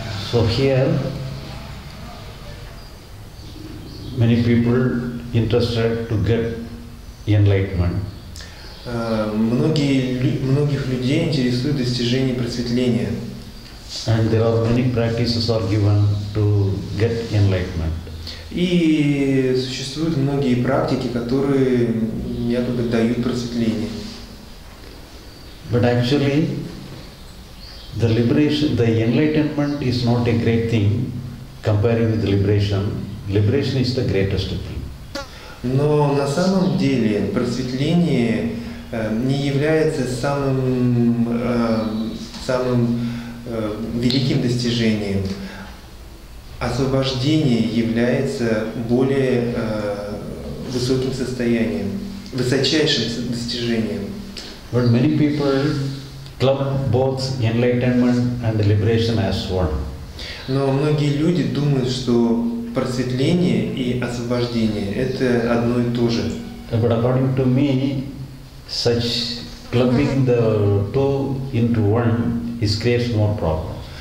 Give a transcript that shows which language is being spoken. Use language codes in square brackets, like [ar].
[en] So here, many people interested to get enlightenment. [ru] Многих людей интересует достижение просветления. [en] And there are many practices are given to get enlightenment. [ru] И существуют многие практики, которые якобы дают просветление. [en] But actually, the liberation, the enlightenment is not a great thing comparing with liberation. Liberation is the greatest thing. [ru] Но на самом деле просветление не является самым великим достижением. Освобождение является более высоким состоянием, высочайшим достижением. [en] But many people club both enlightenment and liberation as one. [ru] Но многие люди думают, что просветление и освобождение – это одно и то же. [en] But according to me, such clubbing the two into one is creates more problems.